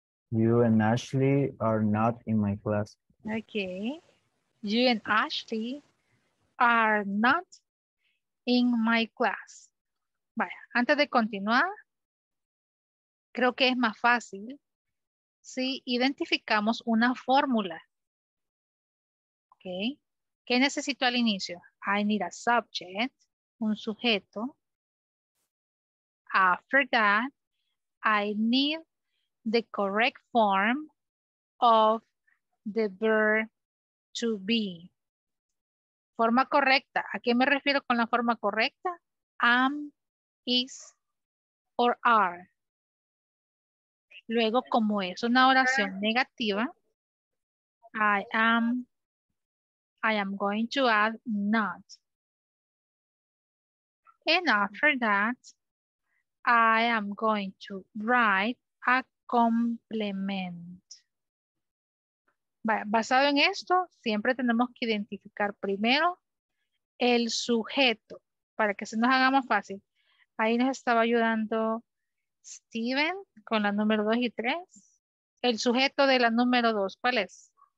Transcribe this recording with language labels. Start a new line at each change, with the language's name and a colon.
English: You and Ashley are not in my class. Okay. You and Ashley are not in my class.
Spanish: Vaya, antes de continuar, creo que es más fácil si identificamos una fórmula. Okay. ¿Qué necesito al inicio?
English: I need a subject,
Spanish: un sujeto.
English: After that, I need the correct form of the verb to be.
Spanish: Forma correcta. ¿A qué me refiero con la forma correcta?
English: Am, is, or are.
Spanish: Luego, como es una oración negativa,
English: I am going to add not. And after that, I am going to write a complement.
Spanish: Basado en esto, siempre tenemos que identificar primero el sujeto para que se nos haga más fácil. Ahí nos estaba ayudando Steven con la número 2 y 3. El sujeto de la número 2, ¿cuál es?